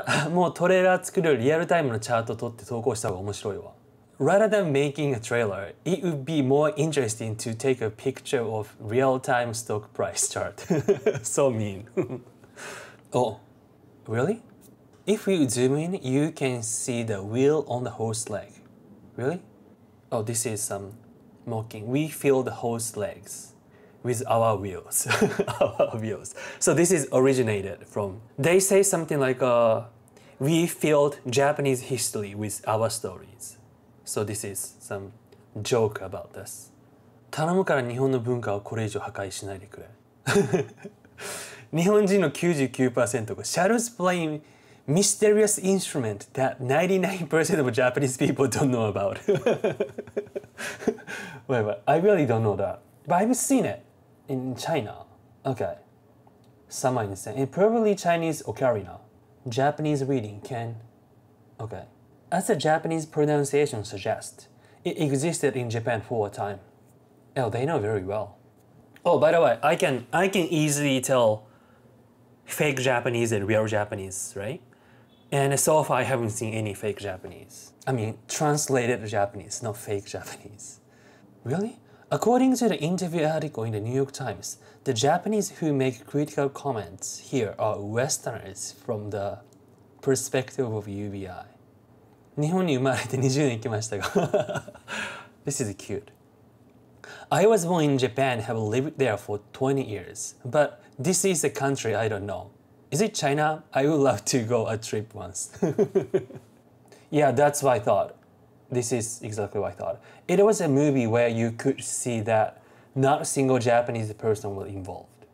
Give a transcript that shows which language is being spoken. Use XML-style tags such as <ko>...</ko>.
<ja>もうトレーラー作るリアルタイムのチャート撮って投稿した方が面白いわ。</ja> <en>Rather than making a trailer, it would be more interesting to take a picture of real-time stock price chart. So mean. Oh, really? If you zoom in, you can see the wheel on the horse leg. Really? Oh, this is some mocking. We fill the horse legs with our wheels. Our wheels. So this is originated from... They say something like, we filled Japanese history with our stories. So this is some joke about this.</en> <ja>頼むから日本の文化をこれ以上破壊しないでくれ。日本人の 99% が</ja> <en>Shadows playing mysterious instrument that 99% of Japanese people don't know about. Wait, I really don't know that. But I've seen it in China. Okay. Some are insane. And probably Chinese ocarina. Japanese reading can... Okay. As the Japanese pronunciation suggests, it existed in Japan for a time. Oh, they know very well. Oh, by the way, I can easily tell fake Japanese and real Japanese, right? And so far, I haven't seen any fake Japanese. I mean, translated Japanese, not fake Japanese. Really? According to the interview article in the New York Times, the Japanese who make critical comments here are Westerners from the perspective of UBI.</en> <ja>日本に生まれて20年行きましたが。</ja> <en>This is cute. I was born in Japan, have lived there for 20 years. But this is a country I don't know. Is it China? I would love to go a trip once. Yeah, that's what I thought. This is exactly what I thought. It was a movie where you could see that not a single Japanese person was involved.</en>